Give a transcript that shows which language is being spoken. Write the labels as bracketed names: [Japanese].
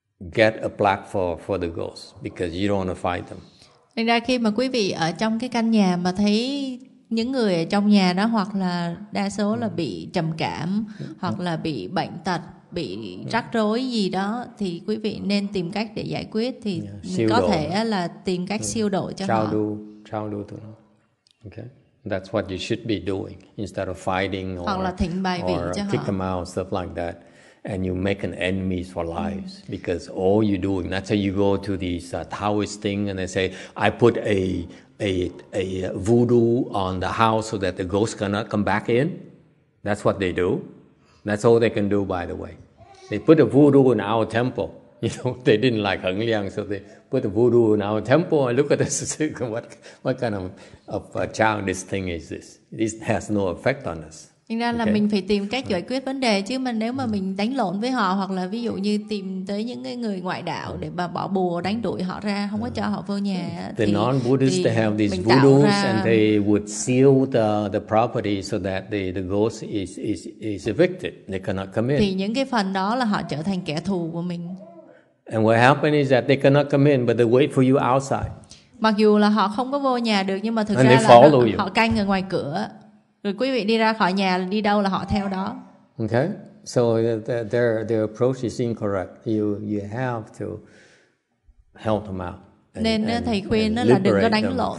[English] Get a plaque for the ghosts, because you don't want to fight them. [Vietnamese] Thành ra khi mà quý vị ở trong cái căn nhà mà thấy những người ở trong nhà đó hoặc là đa số là bị trầm cảm hoặc là bị bệnh tật, bị rắc rối gì đó, thì quý vị nên tìm cách để giải quyết, thì có thể là tìm cách siêu độ cho họ. Trao đu to nó. Okay. [English] That's what you should be doing instead of fighting or [Vietnamese] hoặc là thỉnh bài vị cho họ. [English] Kick them out, stuff like that. And you make an enemy for lives because all you're doing, that's how you go to these Taoist thing and they say, I put a voodoo on the house so that the ghost cannot come back in. That's what they do. That's all they can do, by the way. They put a voodoo in our temple. You know, they didn't like Heng Liang, so they put a voodoo in our temple and look at this. What kind of child this thing is this? This has no effect on us. [Vietnamese] Thành ra là okay. Mình phải tìm cách giải quyết vấn đề, chứ mà nếu mà mình đánh lộn với họ hoặc là ví dụ như tìm tới những người ngoại đạo để mà bỏ bùa đánh đuổi họ ra, không có cho họ vô nhà, [English] the non-Buddhists they have these voodoos and they would seal the property so that the ghost is evicted, they cannot come in. [Vietnamese] Thì những cái phần đó là họ trở thành kẻ thù của mình. [English] And what happened is that they cannot come in but they wait for you outside. [Vietnamese] Mặc dù là họ không có vô nhà được, nhưng mà thực [English] and [Vietnamese] ra là nó, họ canh ở ngoài cửa. Rồi quý vị đi ra khỏi nhà đi đâu là họ theo đó. [English] Okay. So their approach is incorrect. You have to help them out. [Vietnamese] Nên thầy khuyên là đừng có đánh lộn.